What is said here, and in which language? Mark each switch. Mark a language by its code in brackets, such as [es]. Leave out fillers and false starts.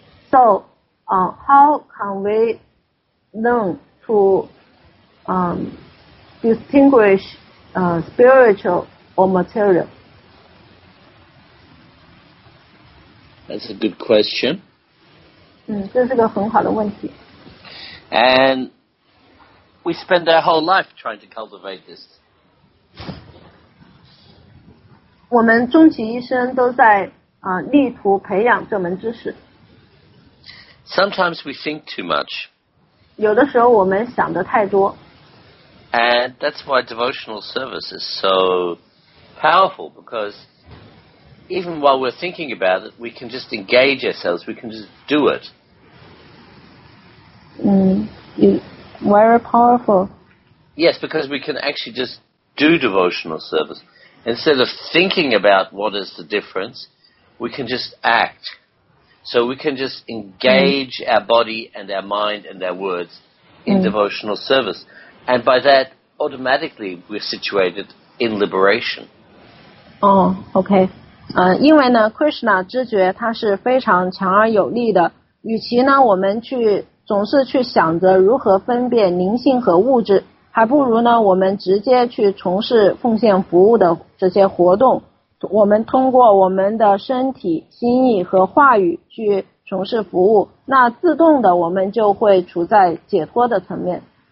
[en] So how can we learn to distinguish spiritual or material? That's a good question. [zh] 这是个很好的问题。 [en] And we spend our whole life trying to cultivate this. [zh] 我们终其一生都在 力图培养这门知识。 [en] Sometimes we think too much. [zh] 有的时候我们想得太多。 [en] And that's why devotional service is so powerful, because even while we're thinking about it, we can just engage ourselves, we can just do it. Very powerful. Yes, because we can actually just do devotional service. Instead of thinking about what is the difference, we can just act. So we can just engage our body and our mind and our words in devotional service. And by that, automatically, we're situated in liberation. Oh, okay. [zh] 因为呢 Krishna 知觉它是非常强而有力的，与其呢我们去总是去想着如何分辨灵性和物质，还不如呢我们直接去从事奉献服务的这些活动，我们通过我们的身体、心意和话语去从事服务，那自动的我们就会处在解脱的层面。